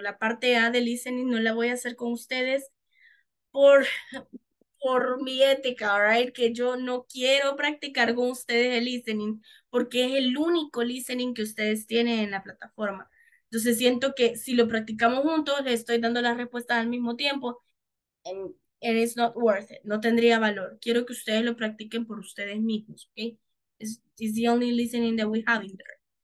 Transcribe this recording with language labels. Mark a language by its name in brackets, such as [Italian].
[Spanish] La parte A de listening no la voy a hacer con ustedes por mi ética. [English] All right. [Spanish] Que yo no quiero practicar con ustedes el listening porque es el único listening que ustedes tienen en la plataforma. Entonces siento que si lo practicamos juntos, le estoy dando las respuestas al mismo tiempo. [English] And it's not worth it. [Spanish] No tendría valor. Quiero que ustedes lo practiquen por ustedes mismos, okay? [English] It's the only listening that we have in there.